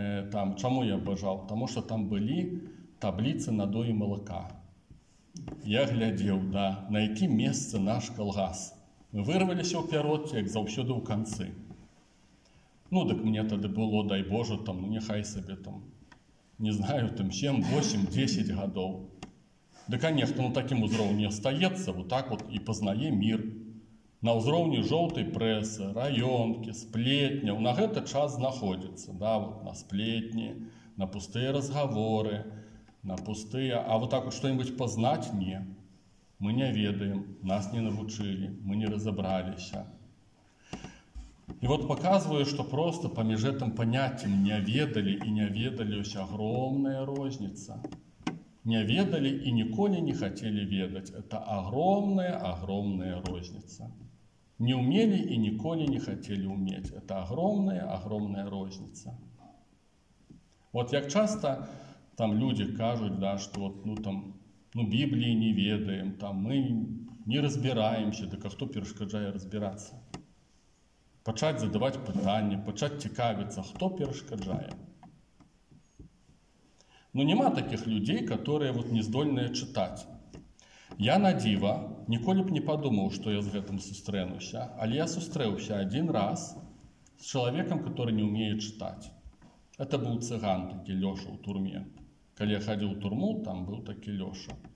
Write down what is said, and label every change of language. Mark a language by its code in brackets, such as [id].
[be] Там, чаму я бажаў? Таму што там былі табліцы на доі малака. Я глядзеў, да, на які месцы наш калгас. Мы вырваліся ў пяротці, як заўсёды ў канцы. Ну, так мне тады было, дай Боже, там, ну, нехай сабе, там, не знаю, там, 7, 8, 10 гадоў. Да, конечно, на такім узроўні астаецца, вот так вот і пазнае мир. На узроўні жоўтай прэсы, раёнкі, сплетняў, на гэта час знаходзіцца, да, вот, на сплетні, на пустыя разговоры, на пустыя, а вот так вот што-небудзь пазнаць, не, мы не ведаем, нас не навучылі, мы не разабраліся. І вот паказваю, што проста паміж гэтым паняццем не ведалі і не ведалі ўсё агромная розніца. Не ведалі і ніколі не хацелі ведаць. Это агромная, агромная розніца. Не ўмелі і ніколі не хацелі ўмець. Это агромная, агромная розніца. Вот як часта там людзі кажуць, да, што вот, ну там, ну Біблії не ведаем, там мы не разбіраемся, дык а хто перашкаджае разбірацца? Пачаць задаваць пытанні, пачаць цікавіцца, хто перашкаджае. [ru] Ну, нема таких людей, которые вот не здольные читать. Я на дива, николи б не подумал, что я с гэтым сустрэнуся, [be] але я сустрэўся [ru] один раз с человеком, который не умеет читать. Это был цыган такі Лёша у турме. Калі я ходил в турму, там был такі Лёша.